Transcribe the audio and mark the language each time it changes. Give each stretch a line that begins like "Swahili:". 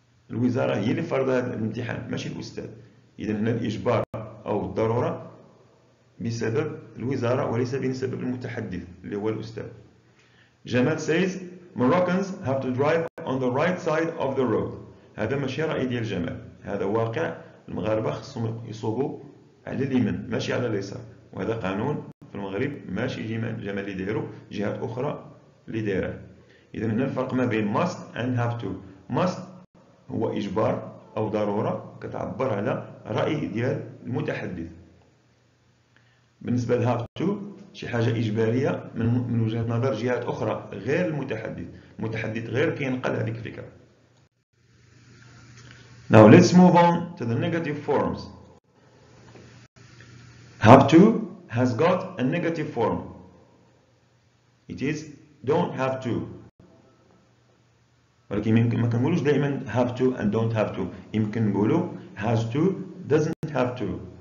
Arabic: الوزارة هي اللي فرضت هذا الامتحان ماشي الأستاذ، إذا هنا الإجبار أو الضرورة بسبب الوزارة وليس بسبب المتحدث اللي هو الأستاذ.
English: Jamal says Moroccans have to drive on the right side of the road.
Arabic: هذا ماشي رأي ديال جمال، هذا واقع، المغاربة خصهم يصوبوا على اليمين ماشي على اليسار، وهذا قانون في المغرب ماشي جمال اللي دايرو، جهات أخرى اللي دايرها. إذا هنا الفرق ما بين must and have to. must هو إجبار أو ضرورة كتعبر على رأي ديال المتحدث. بالنسبة ل have to شي حاجة إجبارية من وجهة نظر جهات أخرى غير المتحدث، المتحدث غير كينقل هذيك الفكرة.
English: Now let's move on to the negative forms. have to has got a negative form. It is don't have to.
Arabic: ولكن ما كنقولوش دائما have to and don't have to. يمكن نقولوا has to doesn't have to.